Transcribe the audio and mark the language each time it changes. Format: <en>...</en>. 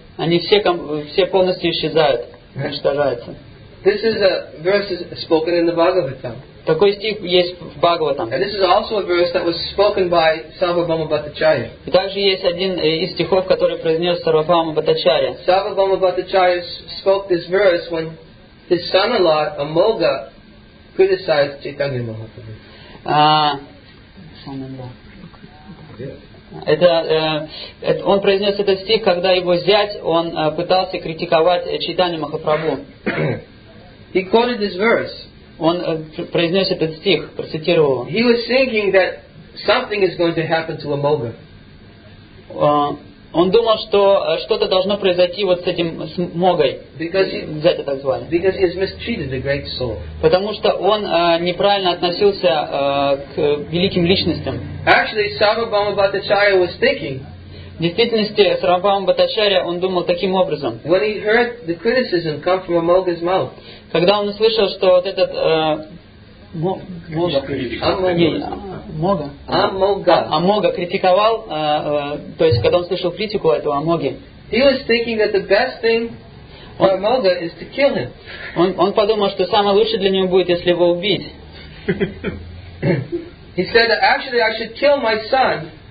<ru>Они все полностью исчезают, уничтожаются.</ru> <en>This is a verse spoken in the Bhagavatam.</en> <ru>Такой стих есть в Бхагаватам.</ru> <en>And this is also a verse that was spoken by Sarvabhauma Bhattacharya.</en> <ru>И также есть один из стихов, который произнес Сарвабхаума Бхаттачарья.</ru> <en>Sarvabhauma Bhattacharya spoke this verse when his son-in-law Amoga criticized Chaitanya Mahaprabhu. son-in-law.</en> <ru>Это он произнес этот стих, когда его зять, он пытался критиковать Чайтанья Махапрабху.</ru> <en>He quoted this verse.</en> <ru>Он произнес этот стих, процитировал.</ru> <en>He was thinking that something is going to happen to Amoga.</en> <ru>Он думал, что что-то должно произойти вот с этим с Могой. Зятя так звали.</ru> <en>Because he has mistreated the great soul.</en> <ru>Потому что он неправильно относился к великим личностям.</ru> <en>Actually, Sarvabhauma Bhattacharya was thinking.</en> <ru>В действительности, Сарвабхаума Бхаттачарья, он думал таким образом.</ru> <en>When he heard the criticism come from Amoga's mouth.</en> <ru>Когда он услышал, что вот этот Амога критиковал, то есть когда он слышал критику этого Амоги.</ru> <en>He was thinking that the best thing for Amoga is to kill him.</en> <ru>Он подумал, что самое лучшее для него будет, если его убить.</ru> <en>He said that actually I should kill my son-in-law.</en>